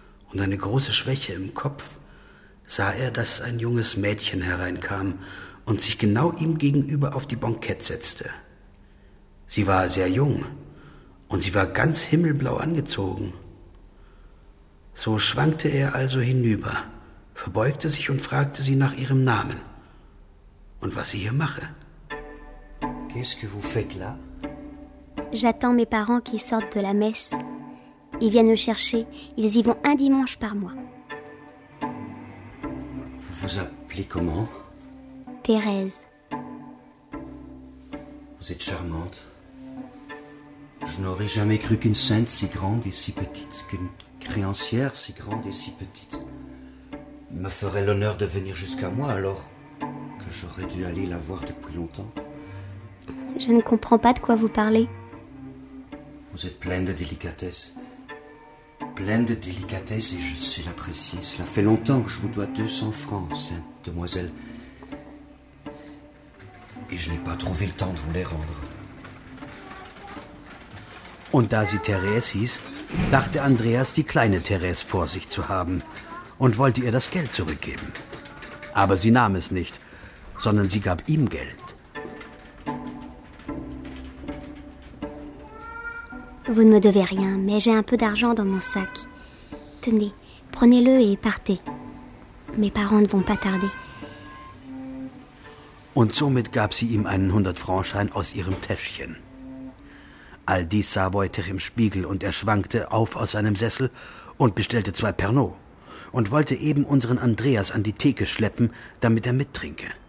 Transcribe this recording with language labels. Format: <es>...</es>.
<de>und eine große Schwäche im Kopf, sah er, dass ein junges Mädchen hereinkam und sich genau ihm gegenüber auf die Bankette setzte. Sie war sehr jung und sie war ganz himmelblau angezogen. So schwankte er also hinüber, verbeugte sich und fragte sie nach ihrem Namen und was sie hier mache.</de> <fr>Qu'est-ce que vous faites là? J'attends mes parents qui sortent de la messe. Ils viennent me chercher. Ils y vont un dimanche par mois. Vous vous appelez comment? Thérèse. Vous êtes charmante. Je n'aurais jamais cru qu'une sainte si grande et si petite, qu'une créancière si grande et si petite, me ferait l'honneur de venir jusqu'à moi alors que j'aurais dû aller la voir depuis longtemps. Je ne comprends pas de quoi vous parlez. Vous êtes pleine de délicatesse. Pleine de délicatesse et je sais l'apprécier. Cela fait longtemps que je vous dois 200 francs, sainte demoiselle. Et je n'ai pas trouvé le temps de vous les rendre.</fr> <de>Und da sie Therese hieß, dachte Andreas, die kleine Therese vor sich zu haben und wollte ihr das Geld zurückgeben. Aber sie nahm es nicht, sondern sie gab ihm Geld.</de> <fr>Vous ne me devez rien, mais j'ai un peu d'argent dans mon sac. Tenez, prenez-le et partez. Mes parents ne vont pas tarder.</fr> <de>Und somit gab sie ihm einen 100-Franc-Schein aus ihrem Täschchen. All dies sah Wojtek im Spiegel und er schwankte auf aus seinem Sessel und bestellte zwei Pernod und wollte eben unseren Andreas an die Theke schleppen, damit er mittrinke.</de>